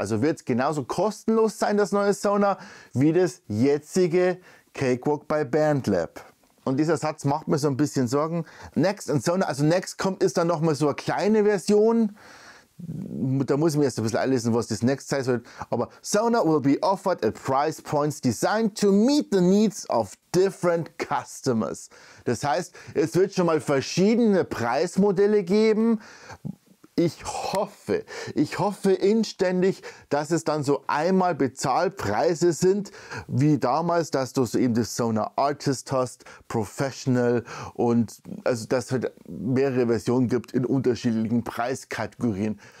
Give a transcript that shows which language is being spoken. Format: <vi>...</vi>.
<de>Also wird es genauso kostenlos sein, das neue Sona, wie das jetzige Cakewalk by Bandlab? Und dieser Satz macht mir so ein bisschen Sorgen. Next und Sona, also Next kommt, ist dann nochmal so eine kleine Version. Da muss ich mir erst ein bisschen einlesen, was das Next heißt.</de> <en>Aber Sona will be offered at price points designed to meet the needs of different customers.</en> <de>Das heißt, es wird schon mal verschiedene Preismodelle geben. Ich hoffe inständig, dass es dann so einmal Bezahlpreise sind, wie damals, dass du so eben das Sona Artist hast, Professional und also dass es mehrere Versionen gibt in unterschiedlichen Preiskategorien.</de>